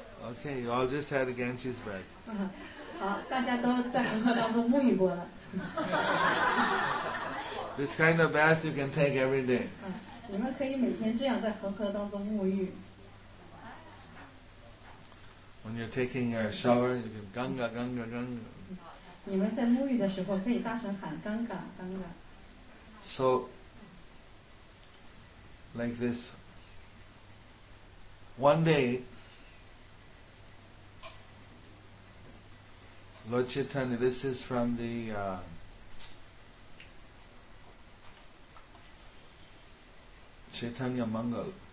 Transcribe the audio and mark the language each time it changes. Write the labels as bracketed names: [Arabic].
[English] Okay, you all just had a Ganges bag. [Chinese] 好，大家都在恒河当中沐浴过了。 [English] This kind of bath you can take every day. [Chinese] 你们可以每天这样在恒河当中沐浴。 [English] When you're taking your shower, you can Ganga, Ganga, Ganga. [Chinese] 你们在沐浴的时候可以大声喊 Ganga, Ganga. [English] So. Like this. One day, Lord Chaitanya, this is from the Chaitanya Mangal.